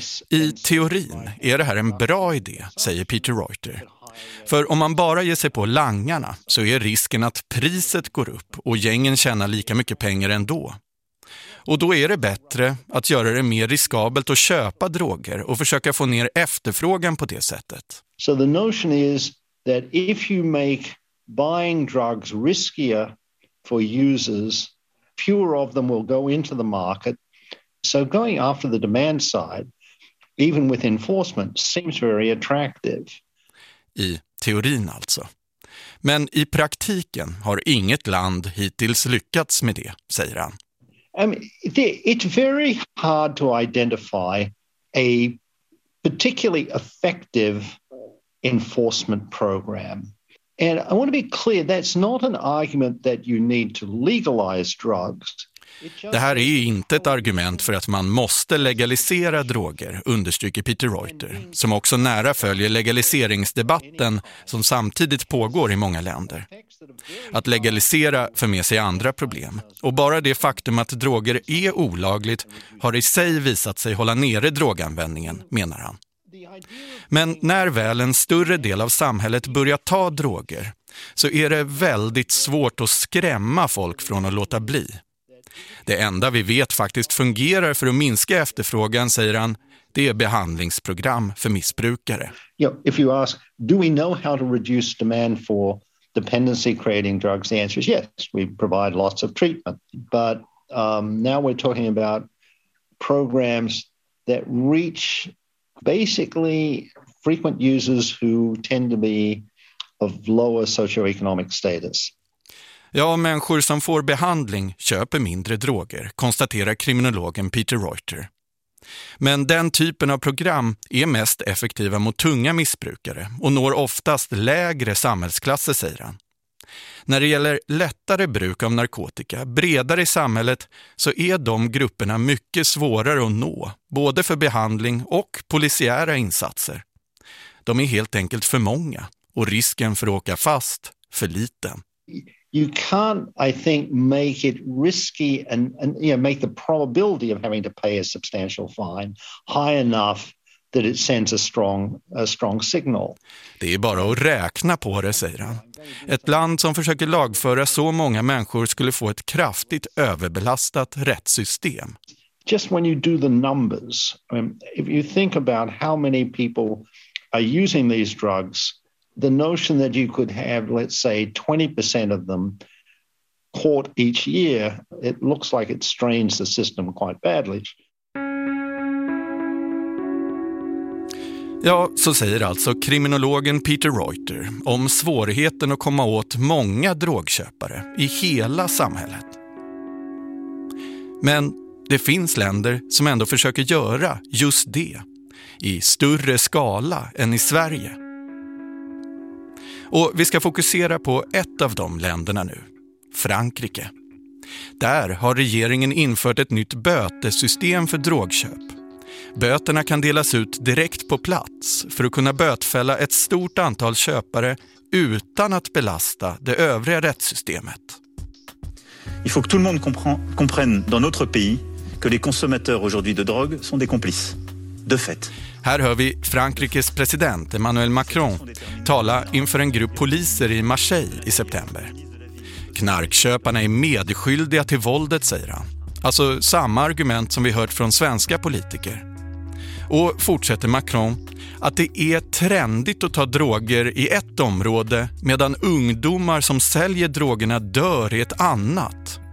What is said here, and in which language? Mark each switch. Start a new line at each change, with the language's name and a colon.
Swedish: I teorin är det här en bra idé, säger Peter Reuter. För om man bara ger sig på langarna så är risken att priset går upp och gängen tjänar lika mycket pengar ändå. Och då är det bättre att göra det mer riskabelt att köpa droger och försöka få ner efterfrågan på det sättet.
English: So the notion is that if you make buying drugs riskier for users, fewer of them will go into the market. So going after the demand side, even with enforcement, seems very attractive.
Swedish: I teorin alltså. Men i praktiken har inget land hittills lyckats med det, säger han.
English: It's very hard to identify a particularly effective enforcement program. And I want to be clear, that's not an argument that you need to legalize drugs.
Swedish: Det här är inte ett argument för att man måste legalisera droger, understryker Peter Reuter, som också nära följer legaliseringsdebatten som samtidigt pågår i många länder. Att legalisera för med sig andra problem. Och bara det faktum att droger är olagligt har i sig visat sig hålla nere droganvändningen, menar han. Men när väl en större del av samhället börjar ta droger så är det väldigt svårt att skrämma folk från att låta bli. Det enda vi vet faktiskt fungerar för att minska efterfrågan, säger han, det är behandlingsprogram för missbrukare.
English: You know, if you ask, do we know how to reduce demand for dependency creating drugs? The answer is yes, we provide lots of treatment. But now we're talking about programs that reach basically frequent users who tend to be of lower socioeconomic status.
Swedish: Ja, människor som får behandling köper mindre droger, konstaterar kriminologen Peter Reuter. Men den typen av program är mest effektiva mot tunga missbrukare och når oftast lägre samhällsklasser, säger han. När det gäller lättare bruk av narkotika, bredare i samhället, så är de grupperna mycket svårare att nå, både för behandling och polisiära insatser. De är helt enkelt för många och risken för att åka fast för liten.
English: You can't, I think, make it risky and you know, make the probability of having to pay a substantial fine high enough that it sends a strong signal.
Swedish: Det är bara att räkna på det, säger han. Ett land som försöker lagföra så många människor skulle få ett kraftigt överbelastat rättssystem.
English: Just when you do the numbers, if you think about how many people are using these drugs. The notion that you could have, let's say, 20% of them caught each year, it looks like it strains the system quite badly.
Swedish: Ja, så säger alltså kriminologen Peter Reuter om svårigheten att komma åt många drogköpare i hela samhället. Men det finns länder som ändå försöker göra just det, i större skala än i Sverige. Och vi ska fokusera på ett av de länderna nu, Frankrike. Där har regeringen infört ett nytt bötesystem för drogköp. Böterna kan delas ut direkt på plats för att kunna bötfälla ett stort antal köpare utan att belasta det övriga rättssystemet.
French: Il faut que tout le monde comprenne dans notre pays que les consommateurs aujourd'hui de drogue sont des complices. De fait.
Swedish: Här hör vi Frankrikes president Emmanuel Macron tala inför en grupp poliser i Marseille i september. Knarkköparna är medskyldiga till våldet, säger han. Alltså samma argument som vi hört från svenska politiker. Och fortsätter Macron att det är trendigt att ta droger i ett område medan ungdomar som säljer drogerna dör i ett annat.